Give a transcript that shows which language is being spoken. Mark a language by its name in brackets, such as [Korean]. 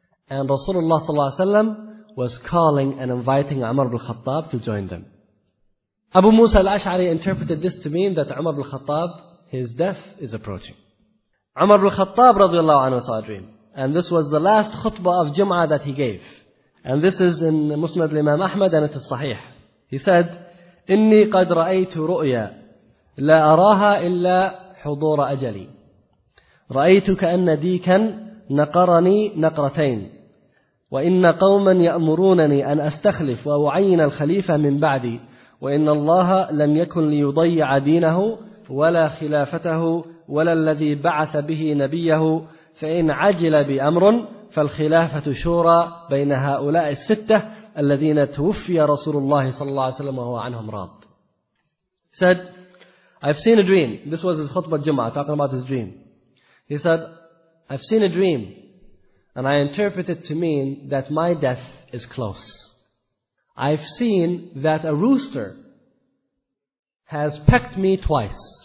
[English] And Rasulullah sallallahu alayhi wa sallam was calling and inviting Umar ibn al-Khattab to join them. Abu Musa al-Ash'ari interpreted this to mean that Umar ibn al-Khattab, his death is approaching. Umar ibn al-Khattab radiallahu anhu saw a dream. And this was the last khutbah of Jum'ah that he gave. And this is in Musnad al-Imam Ahmad and it is sahih. He said, إِنِّي قَدْ رَأَيْتُ رُؤْيَا لَا أَرَاهَا إِلَّا حُضُورَ أَجَلِي رَأَيْتُ كَأَنَّ دِيكًا نَقَرَنِي نَقْرَتَيْنِ [Arabic] وإن قوما يأمرونني أن أستخلف وأعين الخليفة من بعدي وإن الله لم يكن ليضيع دينه ولا خلافته ولا الذي بعث به نبيه فإن عجل بأمر فالخلافة شورى بين هؤلاء الستة الذين توفي رسول الله صلى الله عليه وسلم وهو عنهم راض. [English] He said, I've seen a dream. This was his khutbah al-Jum'ah, talking about his dream. He said, I've seen a dream. And I interpret it to mean that my death is close. I've seen that a rooster has pecked me twice.